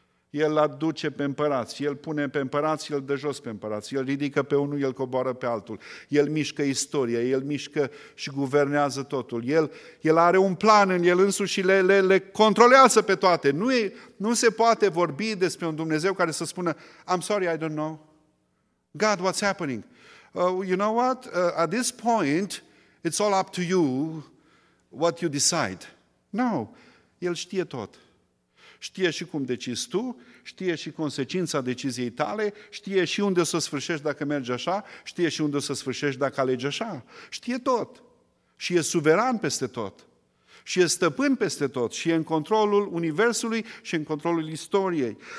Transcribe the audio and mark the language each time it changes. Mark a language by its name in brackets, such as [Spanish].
[Romanian] El aduce pe împărați, el pune pe împărați, el dă jos pe împărați, el ridică pe unul, el coboară pe altul, el mișcă istoria, el mișcă și guvernează totul. El are un plan în el însuși și le controlează pe toate. Nu se poate vorbi despre un Dumnezeu care să spună, [English] I'm sorry, I don't know. God, what's happening? You know what? At this point, it's all up to you, what you decide. [Romanian] No, el știe tot. Știe și cum decizi tu, știe și consecința deciziei tale, știe și unde o să sfârșești dacă mergi așa, știe și unde o să sfârșești dacă alegi așa. Știe tot. Și e suveran peste tot. Și e stăpân peste tot. Și e în controlul universului și în controlul istoriei.